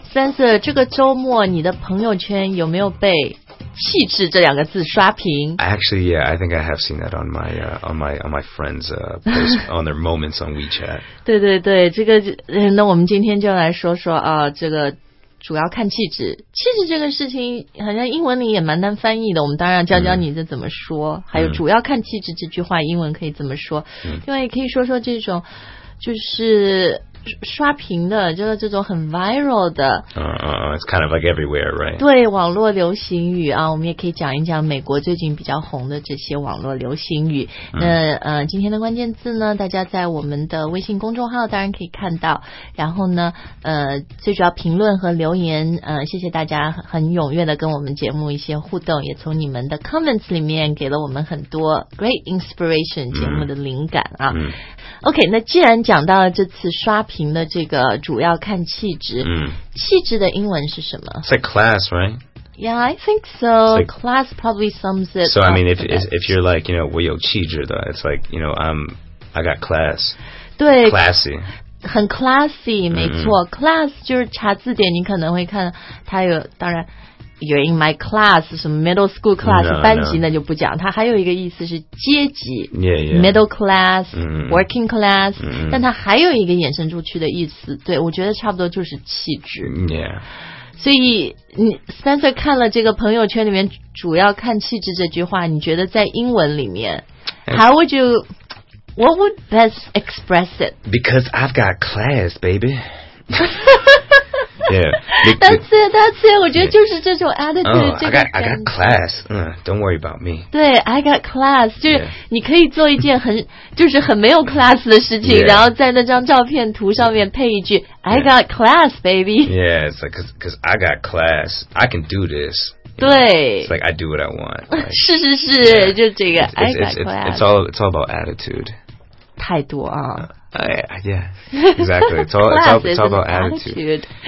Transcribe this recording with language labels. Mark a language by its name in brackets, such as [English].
[Chinese] Spencer, 这个周末你的朋友圈有没有被气质这两个字刷屏？ [English] Actually, yeah, I think I have seen that on my friends, post on their moments on WeChat. [Chinese] 对对对，这个，那我们今天就来说说啊，这个主要看气质。气质这个事情好像英文里也蛮难翻译的，我们当然教教你这怎么说，还有主要看气质这句话英文可以怎么说。另外也可以说说这种就是刷屏的，就是这种很 viral 的。 [English] It's kind of like everywhere, right? [Chinese] 对，网络流行语啊，我们也可以讲一讲美国最近比较红的这些网络流行语。那今天的关键字呢，大家在我们的微信公众号当然可以看到。然后呢，最主要评论和留言，谢谢大家很踊跃的跟我们节目一些互动，也从你们的 comments 里面给了我们很多 [English] great inspiration [Chinese] 节目的灵感啊。 OK, 那既然讲到了这次刷屏的这个主要看气质，气质的英文是什么？ [English] It's like class, right? Yeah, I think so. Like, class probably sums it up. So, I mean, if you're like, you know, [Chinese] 我有气质的, [English] it's like, you know, I got class. [Chinese] 对, [English] classy. [Chinese] 很 classy, 没错。 Class 就是查字典，你可能会看它有，当然 [English] you're in my class, [Chinese] 什么 [English] middle school class, no, [Chinese] 班级那就不讲。它还有一个意思是阶级 [English] yeah, yeah. middle class, working class, [Chinese] 但它还有一个衍生出去的意思，对，我觉得差不多就是气质。所以你 Spencer 看了这个朋友圈里面主要看气质这句话，你觉得在英文里面 [English] how would you... What would best express it? Because I've got class, baby. That's it, that's it. [Chinese] 我觉得就是这种 attitude. [English] I got class. Don't worry about me. 对, I got class. [Chinese] 就是你可以做一件很就是很没有 class 的事情，然后在那张照片图上面配一句 [English] I got class, baby. Yeah, it's like, because I got class. I can do this. [Chinese] 对 [English] It's like I do what I want like, [Chinese] 是是是、yeah. 就这个 [English] it's all about attitude [Chinese] 态度啊、 [English] Exactly it's all about attitude